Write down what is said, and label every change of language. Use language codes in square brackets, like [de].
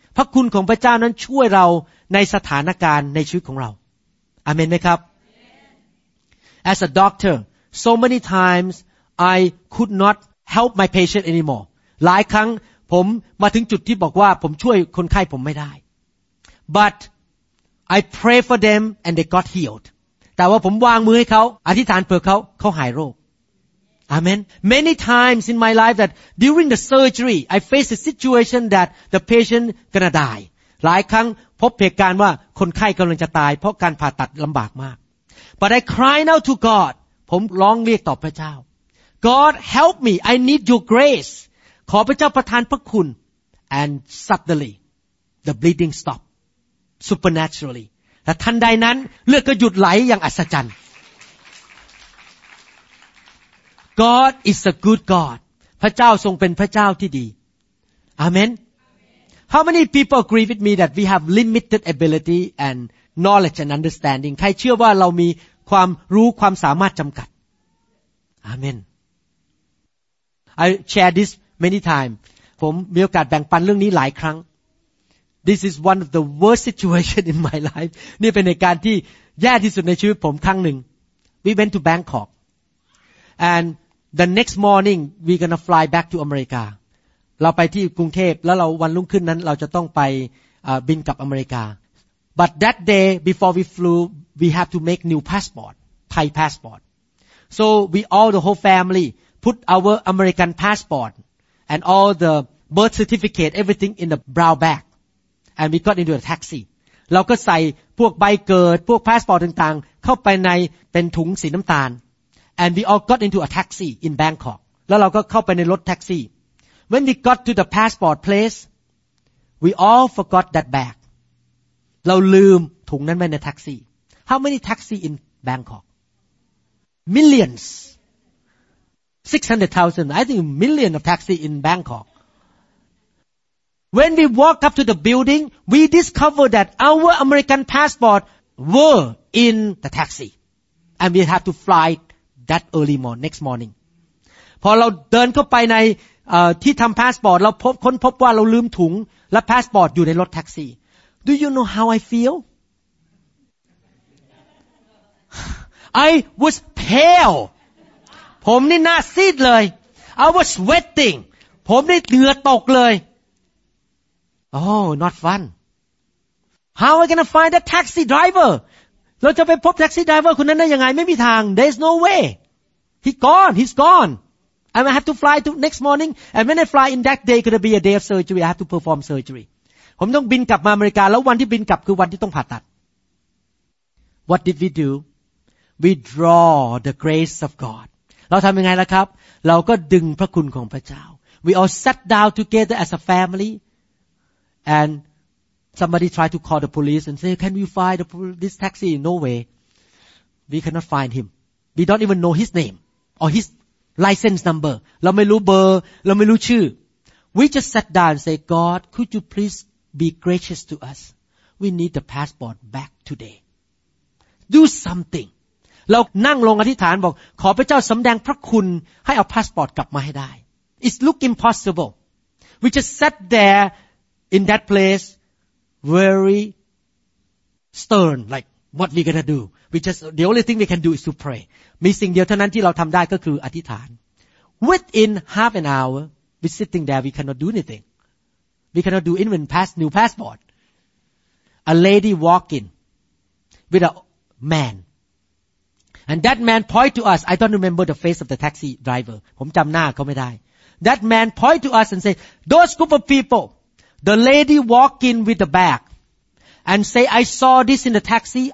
[th] พระคุณของพระเจ้านั้นช่วยเราในสถานการณ์ในชีวิตของเรา Amen ไหมครับ [en] As a doctor, so many times I could not help my patient anymore. [th] หลายครั้งผมมาถึงจุดที่บอกว่าผมช่วยคนไข้ผมไม่ได้ [en] But I pray for them and they got healed. [th] แต่ว่าผมวางมือให้เขาอธิษฐานเผื่อเขาเขาหายโรคAmen. [en] Many times in my life that during the surgery, I faced a situation that the patient gonna die. [th] หลายครั้งพบเหตุการณ์ว่าคนไข้กำลังจะตายเพราะการผ่าตัดลำบากมาก [en] But I cried out to God. [th] ผมร้องเรียกต่อพระเจ้า [en] God help me. I need your grace. [th] ขอพระเจ้าประทานพระคุณ [en] And suddenly, the bleeding stopped. Supernaturally. [th] และทันใดนั้นเลือดก็หยุดไหลอย่างอัศจรรย์ [en] God is a good God. [th] พระเจ้าทรงเป็นพระเจ้าที่ดี Amen. [en] How many people agree with me that we have limited ability and knowledge and understanding? [th] ใครเชื่อว่าเรามีความรู้ความสามารถจำกัด Amen. [en] I share this many times. [th] ผมมีโอกาสแบ่งปันเรื่องนี้หลายครั้ง [en] This is one of the worst situation in my life. [th] นี่เป็นเหตุการณ์ที่แย่ที่สุดในชีวิตผมครั้งหนึ่ง [en] We went to Bangkok. And the next morning we gonna fly back to America. [th] เราไปที่กรุงเทพแล้วเราวันรุ่งขึ้นนั้นเราจะต้องไปบินกลับอเมริกา [en] But that day before we flew, we have to make new passport, Thai passport. So we all, the whole family, put our American passport and all the birth certificate, everything in the brown bag. And we got into a taxi. [th] เราก็ใส่พวกใบเกิดพวกพาสปอร์ตต่างๆเข้าไปในเป็นถุงสีน้ำตาล [en] And we all got into a taxi in Bangkok. [th] แล้วเราก็เข้าไปในรถแท็กซี่ [en] When we got to the passport place, we all forgot that bag. [th] เราลืมถุงนั้นไว้ในแท็กซี่ [en] How many taxi in Bangkok? Millions. 600,000. I think million of taxi in Bangkok. When we walk up to the building, we discover that our American passport were in the taxi. And we have to fly that early morning, next morning. [th] พอเราเดินเข้าไปในที่ทำพาสปอร์ตเราพบค้นพบว่าเราลืมถุงและพาสปอร์ตอยู่ในรถแท็กซี่ [en] Do you know how I feel? I was pale. [th] ผมนี่หน้าซีดเลย [en] I was sweating. [th] ผมนี่เหงื่อตกเลย [en] Oh, not fun. How are we gonna find that taxi driver? [th] เราจะไปพบแท็กซี่ driver คนนั้นได้ยังไงไม่มีทาง [en] There's no way. He's gone. I'm gonna have to fly to next morning. And when I fly in that day, gonna be a day of surgery. I have to perform surgery. [th] ผมต้องบินกลับมาอเมริกาแล้ววันที่บินกลับคือวันที่ต้องผ่าตัด [en] What did we do? We draw the grace of God. [th] เราทำยังไงล่ะครับเราก็ดึงพระคุณของพระเจ้า [en] We all sat down together as a family. And somebody tried to call the police and say, "Can we find this taxi?" No way. We cannot find him. We don't even know his name or his license number. [th] เราไม่รู้เบอร์เราไม่รู้ชื่อ [en] We just sat down and say, "God, could you please be gracious to us? We need the passport back today. Do something." [th] เรานั่งลงอธิษฐานบอกขอพระเจ้าสำแดงพระคุณให้เอาพาสปอร์ตกลับมาให้ได้ [en] It's look impossible. We just sat thereIn that place, very stern, like, what we gonna do? We just, the only thing we can do is to pray. [th] มีสิ่งเดียวเท่านั้นที่เราทำได้ก็คืออธิษฐาน [en] Within half an hour, we sitting there, we cannot do anything. We cannot do even pass new passport. A lady walk in with a man. And that man point to us, I don't remember the face of the taxi driver. ผมจำหน้าเขาไม่ได้ That man point to us and say, those group of people,The lady walked in with the bag and say, I saw this in the taxi.